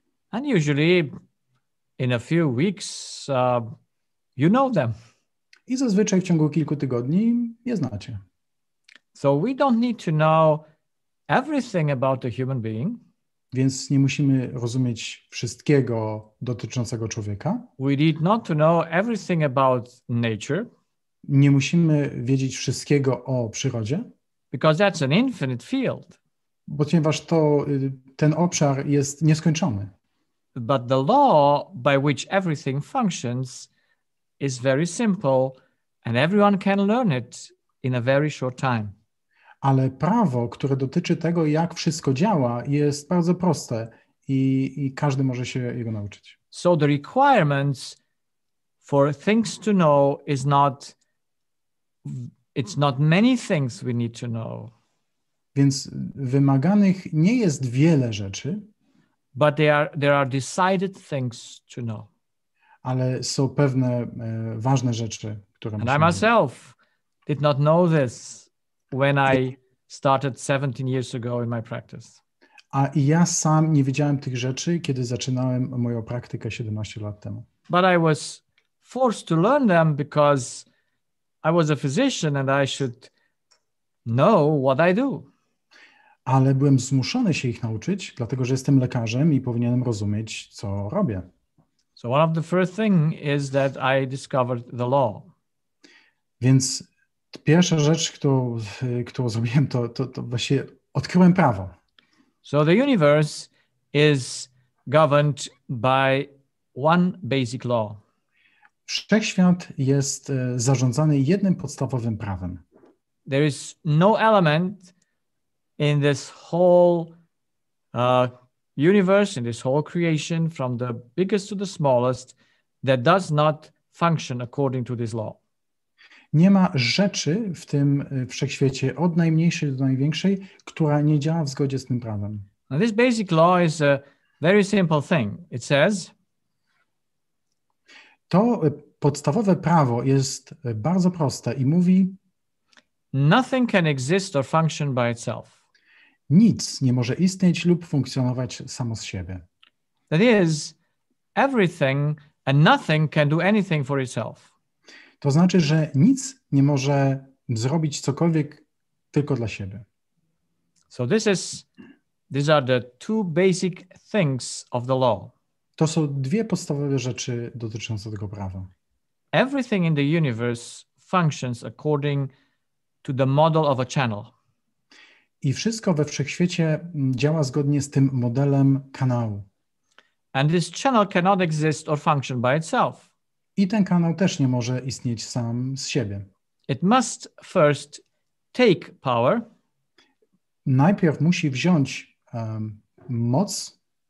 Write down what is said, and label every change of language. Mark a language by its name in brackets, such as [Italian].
[English] And usually in a few weeks you know them. [Polish] I zazwyczaj w ciągu kilku tygodni je znacie. [English] So we don't need to know everything about the human being. [Polish] Więc nie musimy rozumieć wszystkiego dotyczącego człowieka. [English] We need not to know everything about nature. [Polish] Nie musimy wiedzieć wszystkiego o przyrodzie. [English] Because that's an infinite field. [Polish] Bo ponieważ to ten obszar jest nieskończony. [English] But the law by which everything functions is very simple and everyone can learn it in a very short time. [Polish] Ale prawo, które dotyczy tego, jak wszystko działa, jest bardzo proste i każdy może się jego nauczyć. [English] So the requirements for things to know is not, it's not many things we need to know. [Polish] Więc wymaganych nie jest wiele rzeczy. [English] But there are decided things to know. [Polish] Ale są pewne ważne rzeczy, które musimy. [English] And I myself did not know this when I started 17 years ago in my practice. [Polish] A i ja sam nie wiedziałem tych rzeczy, kiedy zaczynałem moją praktykę 17 lat temu. [English] But I was forced to learn them because I was a physician and I should know what I do. [Polish] Ale byłem zmuszony się ich nauczyć, dlatego że jestem lekarzem i powinienem rozumieć, co robię. [English] So one of the first thing is that I discovered the law. [Polish] Więc pierwsza rzecz, którą zrobiłem, to właśnie odkryłem prawo. [English] So the universe is governed by one basic law. [Polish] Wszechświat jest zarządzany jednym podstawowym prawem. [English] There is no element in this whole universe, in this whole creation, from the biggest to the smallest, that does not function according to this law. [Polish] Nie ma rzeczy w tym wszechświecie od najmniejszej do największej, która nie działa w zgodzie z tym prawem. [English] Now this basic law is a very simple thing. It says. [Polish] To podstawowe prawo jest bardzo proste i mówi. [English] Nothing can exist or function by itself. [Polish] Nic nie może istnieć lub funkcjonować samo z siebie. [English] That is, everything and nothing can do anything for itself. [Polish] To znaczy, że nic nie może zrobić cokolwiek tylko dla siebie. [English] So these are the two basic things of the law. [Polish] To są dwie podstawowe rzeczy dotyczące tego prawa. [English] Everything in the universe functions according to the model of a channel. [Polish] I wszystko we wszechświecie działa zgodnie z tym modelem kanału. [English] And this channel cannot exist or function by itself. [Polish] I ten kanał też nie może istnieć sam z siebie. [English] It must first take power. [Polish] Najpierw musi wziąć moc.